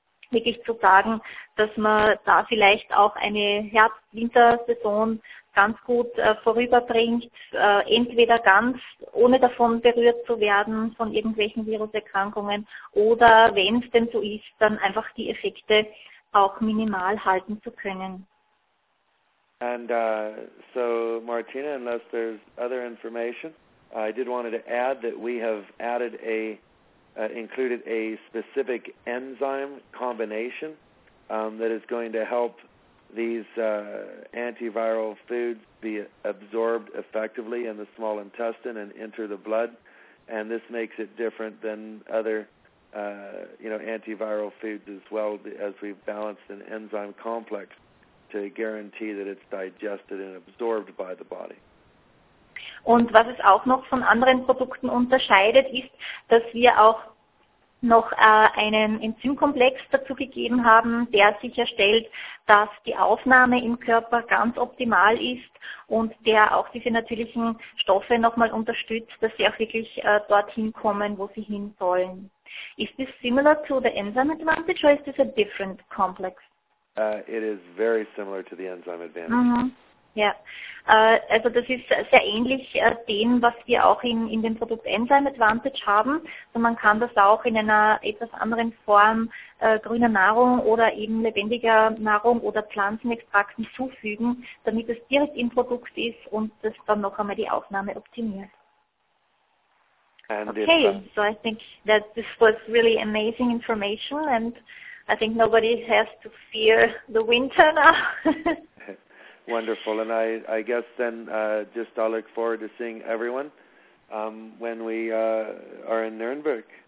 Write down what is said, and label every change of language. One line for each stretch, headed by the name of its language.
German: wirklich zu sagen, dass man da vielleicht auch eine Herbst-Winter-Saison ganz gut vorüberbringt, entweder ganz ohne davon berührt zu werden von irgendwelchen Viruserkrankungen oder wenn es denn so ist, dann einfach die Effekte auch minimal halten zu können.
English: And so Martina, unless there's other information, I did want to add that we have added included a specific enzyme combination that is going to help these antiviral foods be absorbed effectively in the small intestine and enter the blood, and this makes it different than other antiviral foods as well, as we've balanced an enzyme complex to guarantee that it's digested and absorbed by the body.
German: Und was es auch noch von anderen Produkten unterscheidet, ist, dass wir auch noch einen Enzymkomplex dazu gegeben haben, der sicherstellt, dass die Aufnahme im Körper ganz optimal ist und der auch diese natürlichen Stoffe nochmal unterstützt, dass sie auch wirklich dorthin kommen, wo sie hin sollen.
English: Is this similar to the enzyme advantage or is this a different complex? It is very similar to the enzyme advantage.
German: Ja, also das ist sehr ähnlich dem, was wir auch in dem Produkt Enzyme Advantage haben. Also man kann das auch in einer etwas anderen Form grüner Nahrung oder eben lebendiger Nahrung oder Pflanzenextrakten zufügen, damit es direkt im Produkt ist und das dann noch einmal die Aufnahme optimiert.
English: Okay, so I think that this was really amazing information and I think nobody has to fear the winter now. Wonderful. And I guess then just I look forward to seeing everyone when we are in Nuremberg.